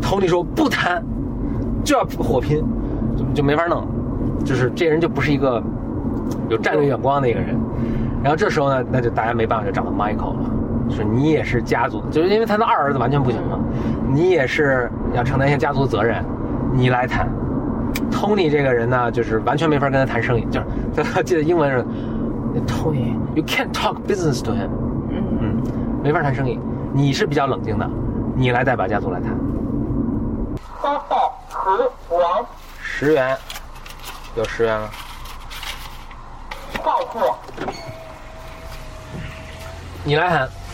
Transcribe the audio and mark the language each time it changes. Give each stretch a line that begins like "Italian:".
Chinese: 托尼说：“不谈，就要火拼，就没法弄，就是这人就不是一个有战略眼光的一个人。” 然后这时候呢，那就大家没办法，就找到 Michael 了，说：“你也是家族，就是因为他的二儿子完全不行嘛，你也是要承担一些家族责任，你来谈。” 托尼这个人呢，就是完全没法跟他谈生意，就是他记得英文是。
English: Tony, you can't talk business to him.
Chinese: 没法谈生意。你是比较冷静的，你来代表家族来谈。八号和王。 10元，有10元吗？报错。你来谈。